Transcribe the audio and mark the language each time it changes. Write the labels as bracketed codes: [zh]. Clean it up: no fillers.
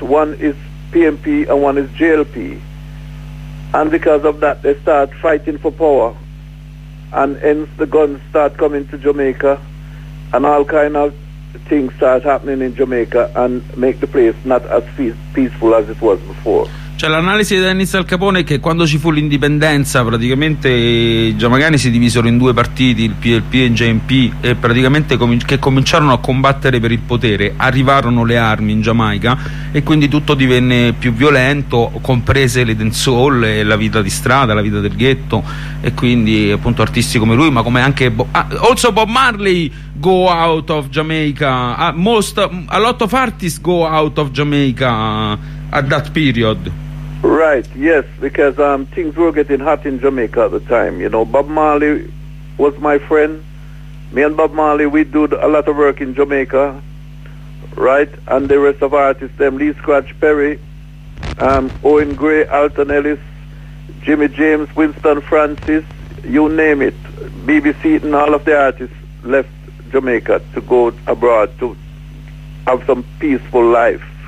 [en] One is PMP and one is JLP. And because of that, they start fighting for power. And hence the guns start coming to Jamaica. And all kind of things start happening in Jamaica and make the place not as peaceful as it was before. C- [it] Cioè, l'analisi di Dennis Al Capone è che quando ci fu l'indipendenza, praticamente i giamaicani si divisero in due partiti, il PLP e il JMP, e praticamente che cominciarono a combattere per il potere, arrivarono le armi in Giamaica e quindi tutto divenne più violento, comprese le dancehall e la vita di strada, la vita del ghetto, e quindi appunto artisti come lui, ma come anche [en] also Bob Marley go out of Jamaica, a lot of artists go out of Jamaica at that period. Right, yes, because things were getting hot in Jamaica at the time. You know, Bob Marley was my friend. Me and Bob Marley, we did a lot of work in Jamaica, right? And the rest of artists, them Lee Scratch Perry, Owen Gray, Alton Ellis, Jimmy James, Winston Francis, you name it, BBC, and all of the artists left Jamaica to go abroad to have some peaceful life.